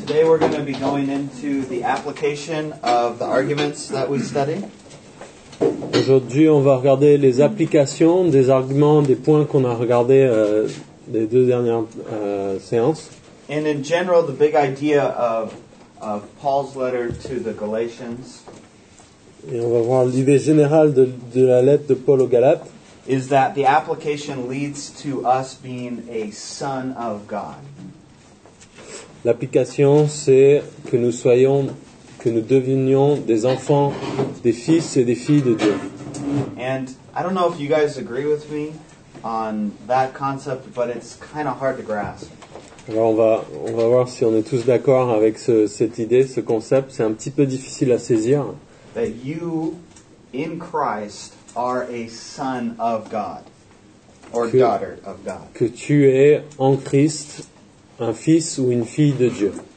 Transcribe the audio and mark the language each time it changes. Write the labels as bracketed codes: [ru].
[en] Today we're going to be going into the application of the arguments that we study. [fr] Aujourd'hui, on va regarder les applications des arguments, des points qu'on a regardés les deux dernières séances. [en] And in general, the big idea of Paul's letter to the Galatians. [fr] Et on va voir l'idée générale de la lettre de Paul aux Galates. [en] Is that the application leads to us being a son of God. [fr] L'application, c'est que nous soyons, que nous devenions des enfants, des fils et des filles de Dieu. [en] And I don't know if you guys agree with me on that concept, but it's kind of hard to grasp. [fr] Alors on va voir si on est tous d'accord avec cette idée, ce concept. C'est un petit peu difficile à saisir. [en] That you, in Christ, are a son of God, or [fr] que, [en] daughter of God. [fr] Que tu es en Christ un fils ou une fille de Dieu.